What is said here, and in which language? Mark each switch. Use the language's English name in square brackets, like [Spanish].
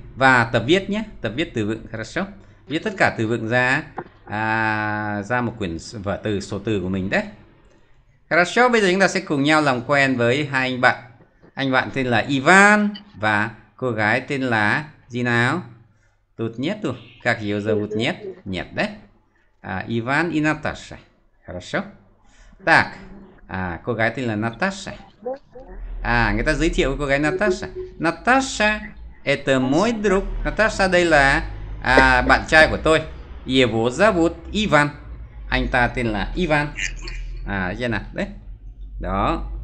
[Vietnamese] Và tập viết nhé. Tập viết từ vựng. Хорошо. Viết tất cả từ vựng ra. Ra một quyển vở từ, số từ của mình đấy. Хорошо, bây giờ chúng ta sẽ cùng nhau làm quen với hai anh bạn. Anh bạn tên là Ivan và cô gái tên là gì nào? [Russian] Tụt nhét tụt, как её зовут нет? Нет, да? Иван и Наташа. Хорошо. [Vietnamese] Так, cô gái tên là Наташа. Người ta giới thiệu với cô gái Наташа. [Russian] Наташа, это мой друг. [Vietnamese] Наташа đây là bạn trai của tôi. [Russian] Его зовут Иван. [Vietnamese] Anh ta tên là Иван. Thấy chưa nào? Đấy. Đó.